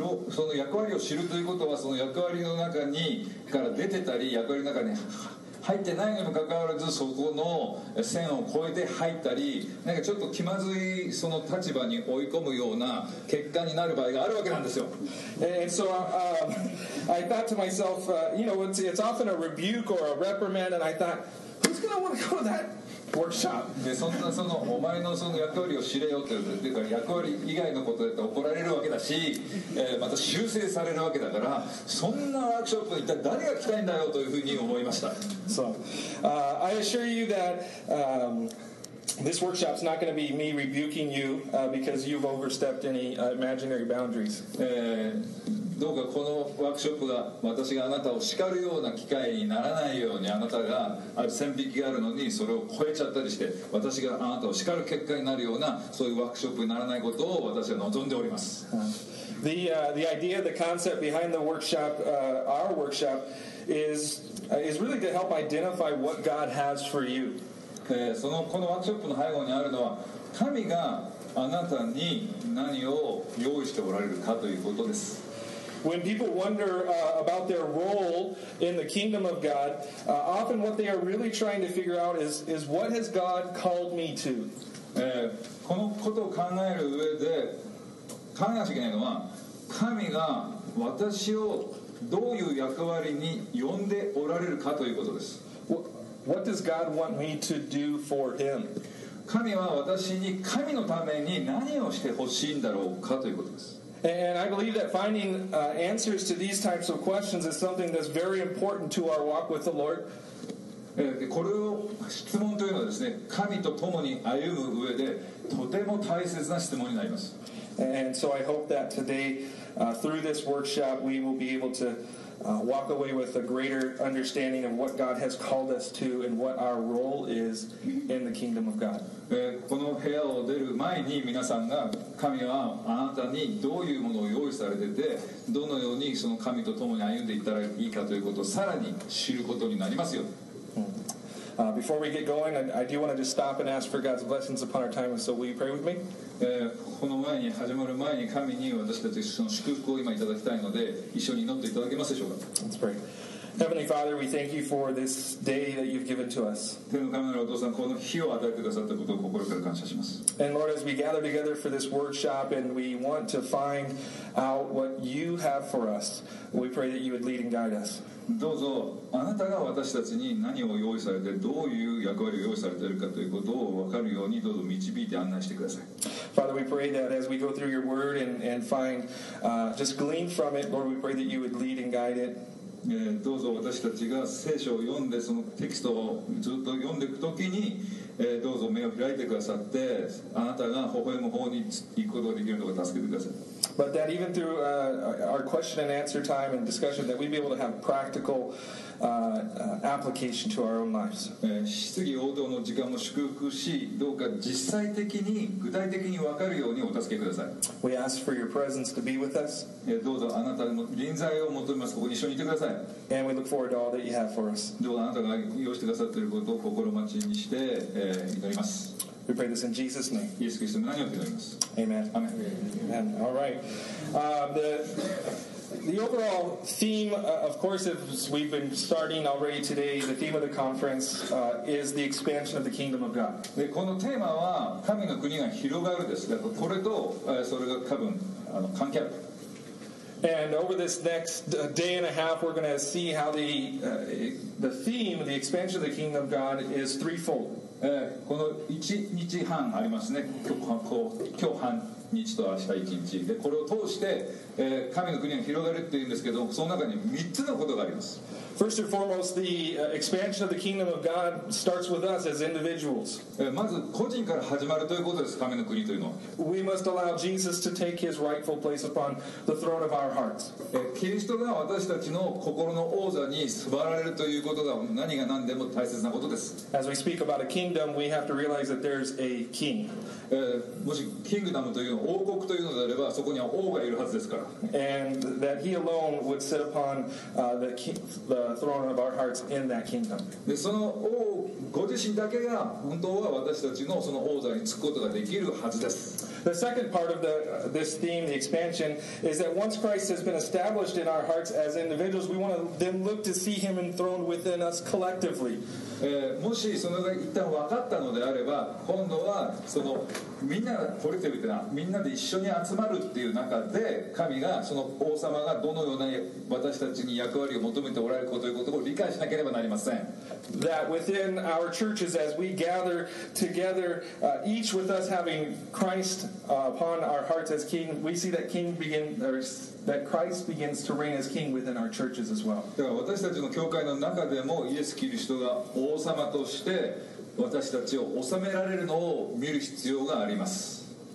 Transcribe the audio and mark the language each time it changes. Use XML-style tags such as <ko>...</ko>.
<ja>その役割を知るということは、その役割の中にから出てたり、役割の中に入ってないにもかかわらず、そこの線を越えて入ったり、なんかちょっと気まずいその立場に追い込むような結果になる場合があるわけなんですよ。</ja> <en>And so, I thought to myself, you know, it's often a rebuke or a reprimand, and I thought, who's going to want to go to that workshop?</en> <ja>で、そんなそのお前のその役割を知れよって、っていうか役割以外のことで怒られるわけだし、また修正されるわけだから、そんなワークショップに一体誰が来たいんだよというふうに思いました。</ja> <en>So, I assure you that this workshop is not going to be me rebuking you because you've overstepped any imaginary boundaries.</en> <ja>どうかこのワークショップが私があなたを叱るような機会にならないように、あなたがある線引きがあるのにそれを超えちゃったりして、私があなたを叱る結果になるような、そういうワークショップにならないことを私は望んでおります。</ja> <en>The idea, the concept behind the workshop, our workshop, is really to help identify what God has for you.</en> <ja>このワークショップの背後にあるのは、神があなたに何を用意しておられるかということです。</ja> <en>When people wonder about their role in the kingdom of God, often what they are really trying to figure out is what has God called me to?</en> <ja>このことを考える上で、考えなきゃいけないのは、神が私をどういう役割に呼んでおられるかということです。</ja> <en>What does God want me to do for him?</en> <ja>神は私に神のために何をしてほしいんだろうかということです。</ja> <en>And I believe that finding answers to these types of questions is something that's very important to our walk with the Lord.</en> <ja>これを質問というのはですね、神と共に歩む上でとても大切な質問になります。</ja> <en>And so I hope that today, through this workshop, we will be able to walk away with a greater understanding of what God has called us to and what our role is in the kingdom of God.</en> <ja>この部屋を出る前に皆さんが神はあなたにどういうものを用意されてて、どのようにその神と共に歩んでいったらいいかということをさらに知ることになりますよ。</ja> <en>Before we get going, I do want to just stop and ask for God's blessings upon our time. So will you pray with me?</en> <ja>この前に始まる前に神に私たちその祝福を今いただきたいので、一緒に祈っていただけますでしょうか?</ja> <en>Let's pray. Heavenly Father, we thank you for this day that you've given to us.</en> <ja>天の神のお父さん、この日を与えてくださったことを心から感謝します。</ja> <en>And Lord, as we gather together for this workshop and we want to find out what you have for us, we pray that you would lead and guide us.</en> <ja>どうぞあなたが私たちに何を用意されてどういう役割を用意されているかということを分かるようにどうぞ導いて案内してください。</ja> <en>Father, we pray that as we go through your word and find just glean from it, Lord, we pray that you would lead and guide it.</en> <ja>どうぞ私たちが聖書を読んでそのテキストをずっと読んでいくときに、どうぞ目を開いてくださってあなたが微笑む方に行くことができるのか助けてください。</ja> <en>But that even through our question and answer time and discussion, that we'd be able to have practical application to our own lives.</en> <ja>質疑応答の時間も祝福し、どうか実際的に具体的に分かるようにお助けください。</ja> <en>We ask for your presence to be with us.</en> <ja>どうぞあなたの臨在を求めます。ここに一緒にいてください。</ja> <en>And we look forward to all that you have for us.</en> <ja>どうぞあなたが用意してくださっていることを心待ちにして、祈ります。</ja> <en>We pray this in Jesus' name.</en> <ja>イエス・キリストの名によって祈ります。</ja> <en>Amen. Amen. Amen. All right. The overall theme, of course, as we've been starting already today, the theme of the conference is the expansion of the kingdom of God.</en> <ja>で、このテーマは神の国が広がるです。だからこれと、それが多分、関係ある。</ja> <en>And over this next day and a half, we're going to see how the theme, the expansion of the kingdom of God, is threefold.</en> <ja>この1日半ありますね。今日半日と明日1日でこれを通して、神の国が広がるっていうんですけどその中に3つのことがあります。</ja> <en>First and foremost, the expansion of the kingdom of God starts with us as individuals.</en> <ja>まず個人から始まるということです。神の国というのは</ja> <en>We must allow Jesus to take his rightful place upon the throne of our hearts.</en> <ja>キリストが私たちの心の王座に座られるということが何が何でも大切なことです。</ja> <en>As we speak about a kingdom, we have to realize that there's a king.</en> <ja>もしキングダムという王国というのであればそこには王がいるはずですから。</ja> <en>And that he alone would sit upon the throne of our hearts in that kingdom.</en> <ja>でその王ご自身だけが本当は私たちのその王座につくことができるはずです。</ja> <en>The second part of this theme, the expansion, is that once Christ has been established in our hearts as individuals, we want to then look to see him enthroned within us collectively.</en> <ja>もしそのが一旦分かったのであれば今度はそのみんなコレクティブというのはみんなで一緒に集まるという中で神がその王様がどのような私たちに役割を求めておられるかということを理解しなければなりません。</ja> <en>That within our churches as we gather together each with us having Christ upon our hearts as king, we see that king beginsThat Christ begins to reign as king within our churches as well.</en> <ja>だから私たちの教会の中でもイエス・キリストが王様として私たちを治められるのを見る必要があります。</ja>